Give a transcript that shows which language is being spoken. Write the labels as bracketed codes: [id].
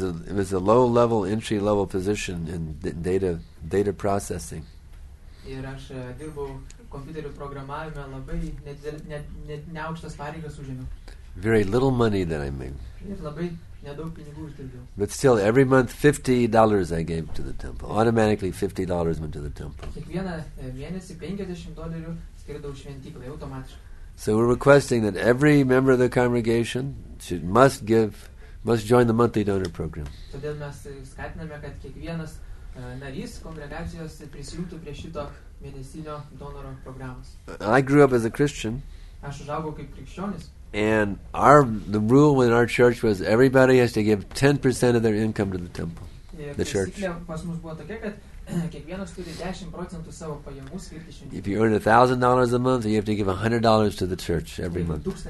[en] It was a low level, entry level position in data processing. [lt] Ir aš dirbau kompiuterių programavime labai neaukštas pareigas užėmiau. [en] Very little money that I made. [lt] Ir labai nedaug pinigų uždirbiau. [en] But still, every month $50 I gave to the temple. Automatically $50 went to the temple. [lt] Kiekvieną mėnesį $50 skirdau šventyklai automatiškai. [en] So we're requesting that every member of the congregation must join the monthly donor program. [lt] Todėl mes skatiname, kad kiekvienas narys kongregacijos prisijungtų prie šito mėnesinio donoro programos. [en] I grew up as a Christian. [lt] Aš užaugau kaip krikščionis. [en] And the rule in our church was everybody has to give 10% of their income to the temple, the church. If you earn $1,000 a month, you have to give $100 to the church every month.